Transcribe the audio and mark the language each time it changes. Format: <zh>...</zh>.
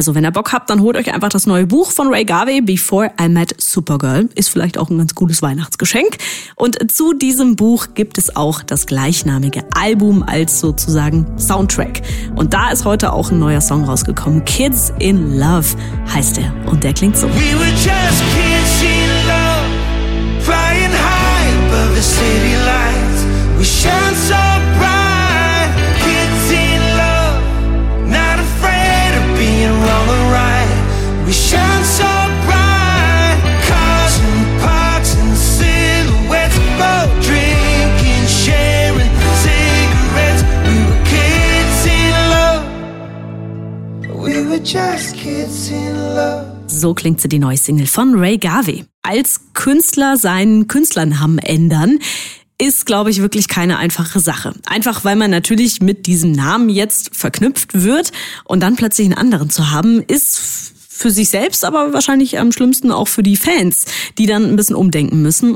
<de>Also wenn ihr Bock habt, dann holt euch einfach das neue Buch von Ray Garvey, Before I Met Supergirl. Ist vielleicht auch ein ganz gutes Weihnachtsgeschenk. Und zu diesem Buch gibt es auch das gleichnamige Album als sozusagen Soundtrack. Und da ist heute auch ein neuer Song rausgekommen. Kids in Love heißt er. Und der klingt so.</de> <en>We were just kids in love, flying high above the city lights. We shine so bright. Kids in love, not afraid of being wrong or right. We shine so bright. Cars and parks and silhouettes, both drinking, sharing cigarettes. We were kids in love. We were just kids in love.</en> <de>So klingt sie, die neue Single von Ray Garvey. Als Künstler seinen Künstlernamen ändern, ist, glaube ich, wirklich keine einfache Sache. Einfach, weil man natürlich mit diesem Namen jetzt verknüpft wird und dann plötzlich einen anderen zu haben, ist für sich selbst, aber wahrscheinlich am schlimmsten auch für die Fans, die dann ein bisschen umdenken müssen.</de>